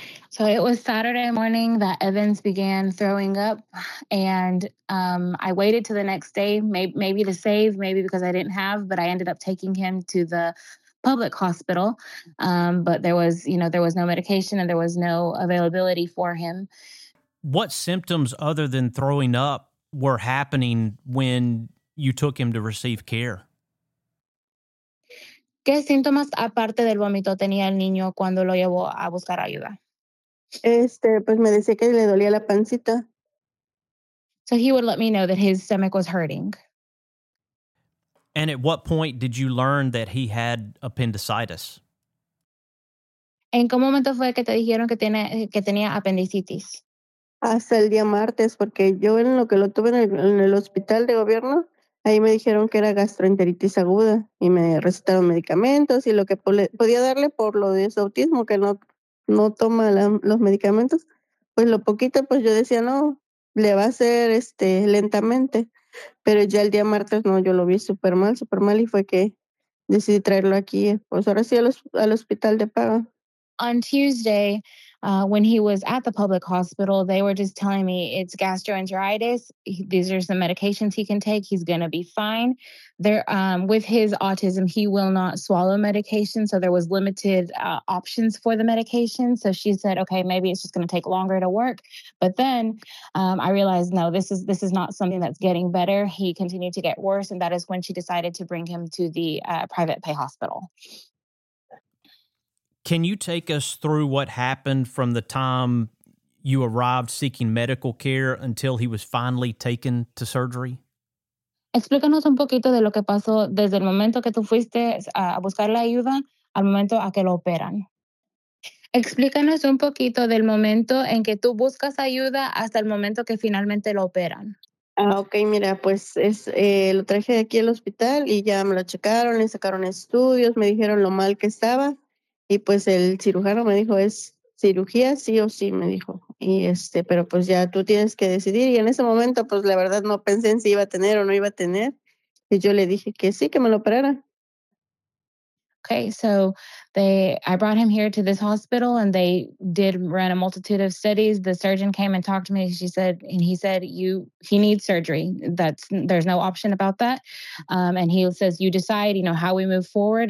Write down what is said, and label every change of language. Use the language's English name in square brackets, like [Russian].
[English] So it was Saturday morning that Evans began throwing up, and I waited till the next day, maybe to save, maybe because I didn't have, but I ended up taking him to the public hospital, but there was, you know, there was no medication and there was no availability for him. What symptoms other than throwing up were happening when you took him to receive care? [Spanish] ¿Qué síntomas aparte del vómito tenía el niño cuando lo llevó a buscar ayuda? Pues me decía que le dolía la pancita. [English] So he would let me know that his stomach was hurting. And at what point did you learn that he had appendicitis? [Spanish] ¿En qué momento fue que te dijeron que tenía apendicitis? Hasta el día martes, porque yo en lo que lo tuve en el hospital de gobierno, ahí me dijeron que era gastroenteritis aguda y me recetaron medicamentos y lo que podía darle por lo de su autismo, que no toma los medicamentos, pues lo poquito, pues yo decía, no, le va a hacer lentamente. Pero ya el día martes, no, yo lo vi súper mal, y fue que decidí traerlo aquí, pues ahora sí al hospital de paga. [English] On Tuesday, when he was at the public hospital, they were just telling me it's gastroenteritis. These are some medications he can take. He's going to be fine. There, with his autism, he will not swallow medication. So there was limited options for the medication. So she said, okay, maybe it's just going to take longer to work. But then I realized, no, this is not something that's getting better. He continued to get worse. And that is when she decided to bring him to the private pay hospital. Can you take us through what happened from the time you arrived seeking medical care until he was finally taken to surgery? [Spanish] Explícanos un poquito de lo que pasó desde el momento que tú fuiste a buscar la ayuda al momento a que lo operan. Explícanos un poquito del momento en que tú buscas ayuda hasta el momento que finalmente lo operan. Ah, okay, mira, pues lo traje aquí al hospital y ya me lo checaron, le sacaron estudios, me dijeron lo mal que estaba. Y pues el cirujano me dijo, ¿es cirugía? Sí o sí, me dijo. Y pero pues ya tú tienes que decidir. Y en ese momento, pues la verdad no pensé en si iba a tener o no iba a tener. Y yo le dije que sí, que me lo operara. [English] Okay, so I brought him here to this hospital and they did run a multitude of studies. The surgeon came and talked to me. He needs surgery. There's no option about that. And he says, you decide, how we move forward.